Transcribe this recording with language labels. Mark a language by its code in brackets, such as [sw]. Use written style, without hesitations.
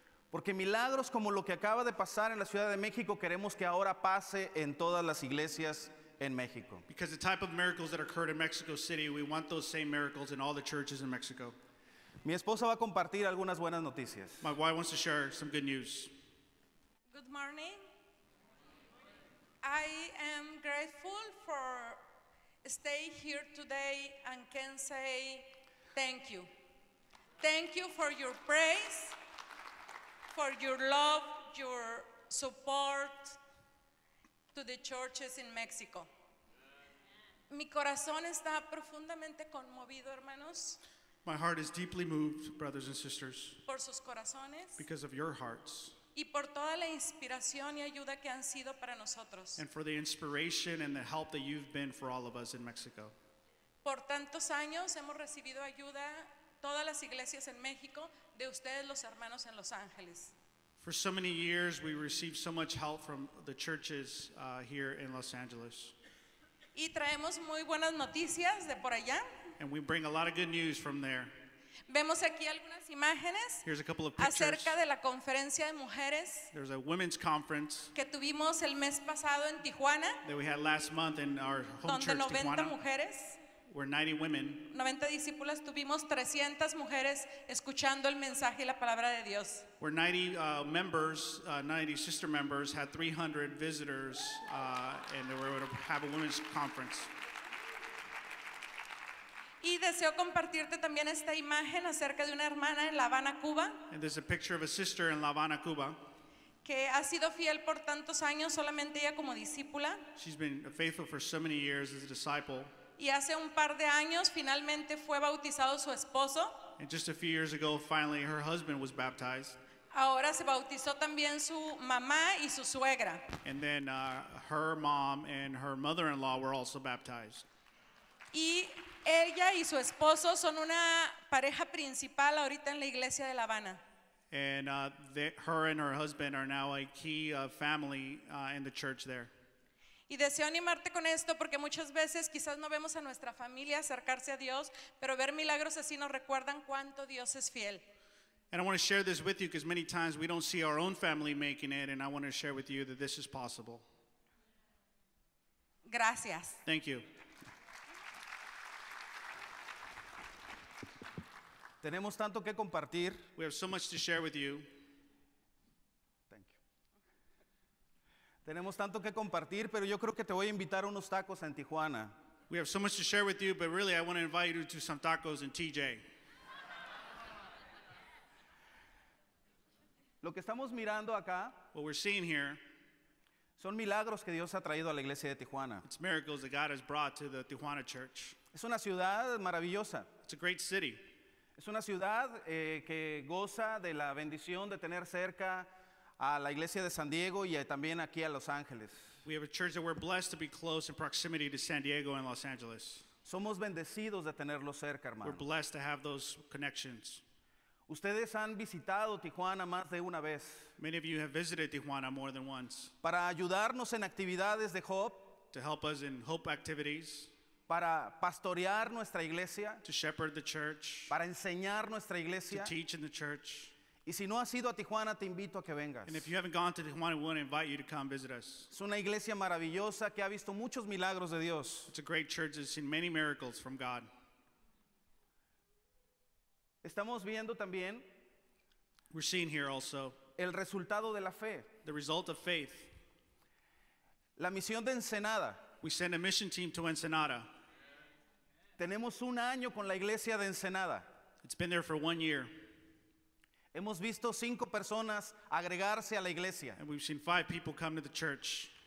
[es] Porque milagros como lo que acaba de pasar en la Ciudad de México queremos que ahora pase en todas las iglesias en México. [en] Because the type of miracles that occurred in Mexico City, we want those same miracles in all the churches in Mexico. [es] Mi esposa va a compartir algunas buenas noticias. [en] My wife wants to share some good news. Good morning. I am grateful for staying here today and can say thank you. Thank you for your praise, for your love, your support to the churches in Mexico. [es] Mi corazón está profundamente conmovido, hermanos. [en] My heart is deeply moved, brothers and sisters, [es] por sus corazones, [en] because of your hearts, [es] y por toda la inspiración y ayuda que han sido para nosotros, [en] and for the inspiration and the help that you've been for all of us in Mexico. [es] Por tantos años hemos recibido ayuda, todas las iglesias en México, de ustedes los hermanos en Los Ángeles. [en] For so many years, we received so much help from the churches here in Los Angeles. [es] Y traemos muy buenas noticias de por allá. [en] And we bring a lot of good news from there. [es] Vemos aquí algunas imágenes. [en] Here's a couple of pictures. [es] Acerca de la conferencia de mujeres. [en] There's a women's conference. [es] Que tuvimos el mes pasado en Tijuana. [en] That we had last month in our home [es] donde [en] church, 90 Tijuana. [es] Mujeres. [en] Where 90 women. [es] 90 discípulas. Tuvimos 300 mujeres escuchando el mensaje y la palabra de Dios. [en] Where 90 members, 90 sister members had 300 visitors and they were able to have a women's conference. [es] Y deseo compartirte también esta imagen acerca de una hermana en La Habana, Cuba. [en] And there's a picture of a sister in La Habana, Cuba. [es] Que ha sido fiel por tantos años, solamente ella como discípula. [en] She's been faithful for so many years as a disciple. [es] Y hace un par de años, finalmente fue bautizado su esposo. [en] And just a few years ago, finally, her husband was baptized. [es] Ahora se bautizó también su mamá y su suegra. [en] And then her mom and her mother-in-law were also baptized. [es] Y ella y su esposo son una pareja principal ahorita en la iglesia de La Habana. [en] And her and her husband are now a key family in the church there. [es] Y deseo animarte con esto porque muchas veces quizás no vemos a nuestra familia acercarse a Dios, pero ver milagros así nos recuerdan cuánto Dios es fiel. [en] And I want to share this with you because many times we don't see our own family making it, and I want to share with you that this is possible. [es] Gracias. [en] Thank you. [es] Tenemos tanto que compartir. [en] We have so much to share with you. Thank you. [es] Tenemos tanto que compartir, pero yo creo que te voy a invitar a unos tacos en Tijuana. [en] We have so much to share with you, but really I want to invite you to some tacos in TJ. [es] Lo que estamos mirando acá, [en] what we're seeing here, [es] son milagros que Dios ha traído a la iglesia de Tijuana. [en] It's miracles that God has brought to the Tijuana church. [es] Es una ciudad maravillosa. [en] It's a great city. [es] Es una ciudad que goza de la bendición de tener cerca a la iglesia de San Diego y también aquí a Los Ángeles. [en] We have a church that we're blessed to be close in proximity to San Diego and Los Angeles. [es] Somos bendecidos de tenerlo cerca, hermano. [en] We're blessed to have those connections. [es] Ustedes han visitado Tijuana más de una vez. [en] Many of you have visited Tijuana more than once. [es] Para ayudarnos en actividades de Hope. [en] To help us in Hope activities. [es] Para pastorear nuestra iglesia. [en] To shepherd the church. [es] Para enseñar nuestra iglesia. [en] To teach in the church. [es] Y si no has ido a Tijuana, te invito a que vengas. [en] And if you haven't gone to Tijuana, we want to invite you to come visit us. [es] Es una iglesia maravillosa que ha visto muchos milagros de Dios. [en] It's a great church that's seen many miracles from God. [es] Estamos viendo también, [en] we're seeing here also, [es] el resultado de la fe. [en] The result of faith. [es] La misión de Ensenada. [en] We send a mission team to Ensenada. [es] Tenemos un año con la iglesia de Ensenada. [en] It's been there for 1 year. [es] Hemos visto cinco personas agregarse a la iglesia. [en] And we've seen five people come to the church.